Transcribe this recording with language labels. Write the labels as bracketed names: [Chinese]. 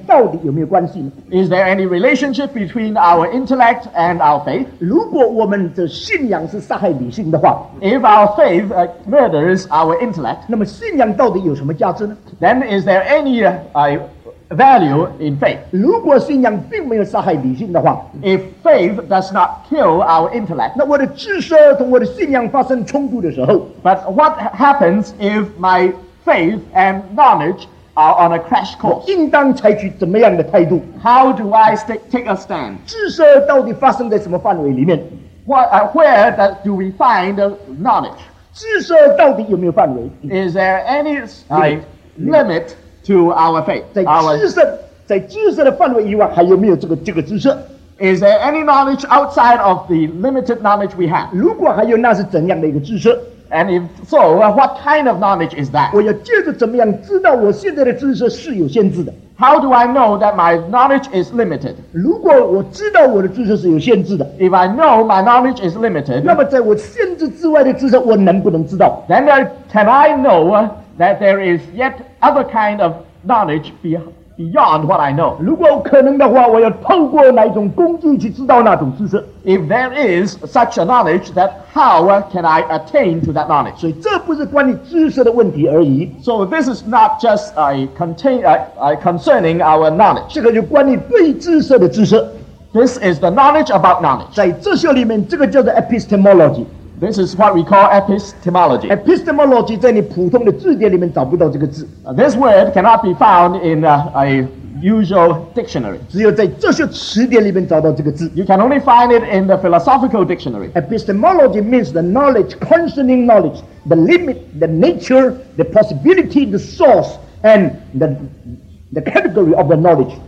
[English] Is there any relationship between our intellect and our faith? [Chinese] 如果我们的信仰是杀害理性的话, [English] if our faith murders our intellect, then is there any value in faith? [Chinese] 如果信仰并没有杀害理性的话, [English] if faith does not kill our intellect, [Chinese] 那我的知识和我的信仰发生冲突的时候, [English] but what happens if my faith and knowledge are on a crash course? [Chinese] 我应当采取怎么样的态度? [English] How do I take a stand? [Chinese] 知识到底发生在什么范围里面? [English] Where do we find the knowledge? [Chinese] 知识到底有没有范围? [English] Is there any limit to our faith? [Chinese] 在知识的范围以外还有没有这个知识? [English] Is there any knowledge outside of the limited knowledge we have? [Chinese] 如果还有那是怎样的一个知识? [English] And if so, what kind of knowledge is that? [Chinese] 我要借着怎么样知道我现在的知识是有限制的? [English] How do I know that my knowledge is limited? [Chinese] 如果我知道我的知识是有限制的, [English] if I know my knowledge is limited, [Chinese] 那么在我限制之外的知识我能不能知道? [English] Then can I know that there is yet other kind of knowledge beyond what I know? [Chinese] 如果可能的话, 我要透过哪种工具去知道那种知识? [English] If there is such a knowledge, that how can I attain to that knowledge? [Chinese] 所以这不是关于知识的问题而已, [English] so this is not just concerning our knowledge. [Chinese] 这个就关于对知识的知识。 [English] This is the knowledge about knowledge. [Chinese] 在这些里面, 这个叫做 epistemology. [English] This is what we call epistemology. [Chinese] Epistemology 在你普通的字典里面找不到这个字。 [English] This word cannot be found in a usual dictionary. [Chinese] 只有在这些词典里面找到这个字。 [English] You can only find it in the philosophical dictionary. Epistemology means the knowledge concerning knowledge, the limit, the nature, the possibility, the source, and the category of the knowledge.